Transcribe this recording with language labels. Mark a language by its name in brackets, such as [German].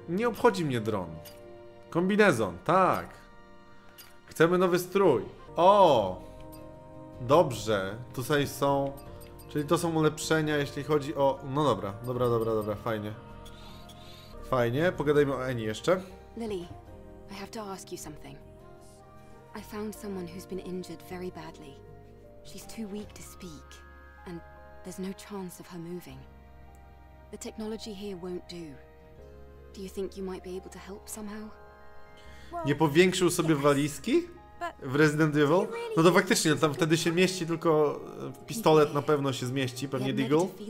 [Polish] Nie obchodzi mnie dron. Kombinezon, tak. Chcemy nowy strój. O! Dobrze, tutaj są... Czyli to są ulepszenia, jeśli chodzi o... No dobra, dobra, dobra, dobra, fajnie. Fajnie, pogadajmy o Annie jeszcze. [English] Lily, I have to ask you something. I found someone who's been injured very badly. She's too weak to speak, and there's no chance of her moving. The technology here won't do. Do you think you might be able to help somehow? [Polish] Nie powiększył sobie walizki w Resident Evil? No to faktycznie, tam wtedy się mieści, tylko pistolet na pewno się zmieści, pewnie Deagle.